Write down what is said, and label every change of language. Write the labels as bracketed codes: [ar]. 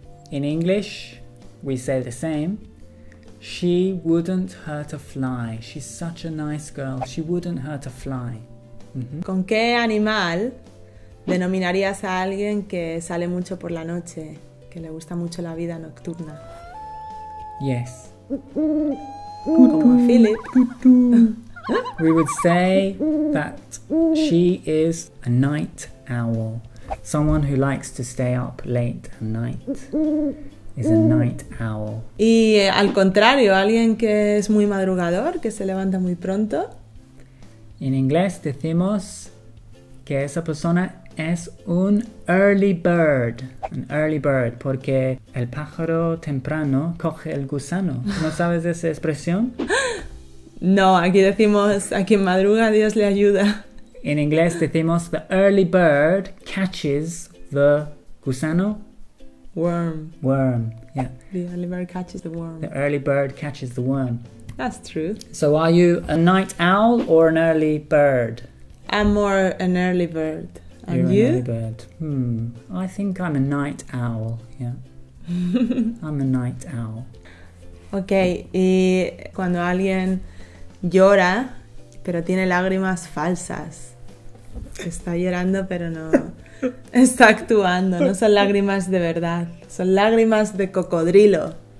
[en] In English, we say the same. She wouldn't hurt a fly. She's such a nice girl. She wouldn't hurt a fly. Mm-hmm. [es] ¿Con qué animal denominarías a alguien que sale mucho por la noche, que le gusta mucho la vida nocturna? [en] Yes. [es] Como Philip. [en] We would say that she is a night owl. Someone who likes to stay up late at night. Is a night owl. [es] Y al contrario, alguien que es muy madrugador, que se levanta muy pronto. En inglés decimos que esa persona es un [en] early bird. An early bird, [es] porque el pájaro temprano coge el gusano. ¿No sabes esa expresión? No, aquí decimos a quien madruga Dios le ayuda. En inglés decimos [en] the early bird catches the [es] gusano. [en] Worm. Worm, yeah. The early bird catches the worm. The early bird catches the worm. That's true. So are you a night owl or an early bird? I'm more an early bird. And you? An early bird. I think I'm a night owl, yeah. I'm a night owl. [es] Okay, y cuando alguien llora, pero tiene lágrimas falsas. Está llorando, pero no... Está actuando, no son lágrimas de verdad, son lágrimas de cocodrilo.